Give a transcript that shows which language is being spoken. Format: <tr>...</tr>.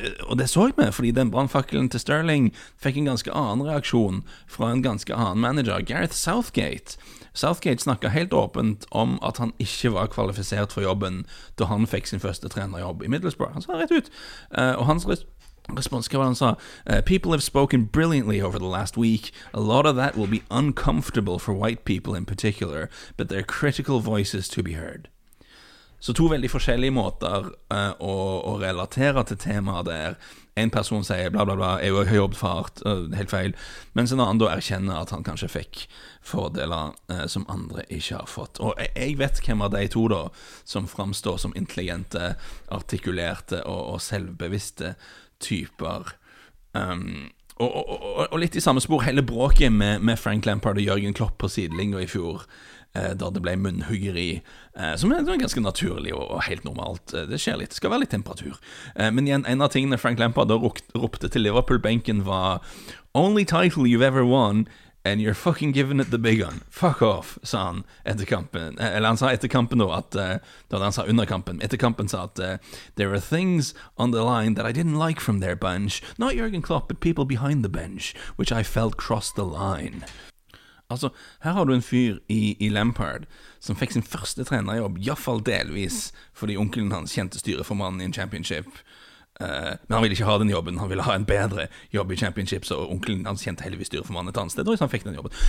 <no>Og det så jeg med, fordi den brandfakkelen til Sterling fikk en ganske annen reaksjon fra en ganske annen manager, Gareth Southgate. Southgate snakket helt åpent om at han ikke var kvalifisert for jobben da han fikk sin første trenerjobb I Middlesbrough. Han sa rett ut, og hans respons, hva var han sa?</no> <en>People have spoken brilliantly over the last week. A lot of that will be uncomfortable for white people in particular, but they're critical voices to be heard.</en> <no>Så to veldig forskjellige måter å relatere til temaet der. En person sier bla bla bla, jeg har jobbet fart, helt feil. Mens en annen da erkjenner at han kanskje fikk fordeler som andre ikke har fått. Og jeg vet hvem av de to da, som fremstår som intelligente, artikulerte og selvbevisste typer. Og litt I samme spor, hele bråket med Frank Lampard og Jørgen Klopp på sidelinga I fjor, da det ble munnhuggeri, som ganske naturlig og helt normalt. Det skjer litt, det skal være litt temperatur. Men igjen, en av tingene Frank Lampard da ropte til Liverpool-benken var</no> <en>«Only title you've ever won, and you're fucking giving it the big one. Fuck off»,</en> <no>sa han etter kampen. Eller han sa etter kampen da, at, da han sa under kampen. Etter kampen sa at</no> <en>«There are things on the line that I didn't like from their bench, not Jurgen Klopp, but people behind the bench, which I felt crossed the line».</en> <no>Altså, her har du en fyr I Lampard som fikk sin første trenerjobb, I hvert fall delvis, fordi onkelen hans kjente styreformannen I en championship. Men han ville ikke ha den jobben, han ville ha en bedre jobb I championship, så onkelen hans kjente heldigvis styreformannen et annet sted, og så han fikk den jobben.</no>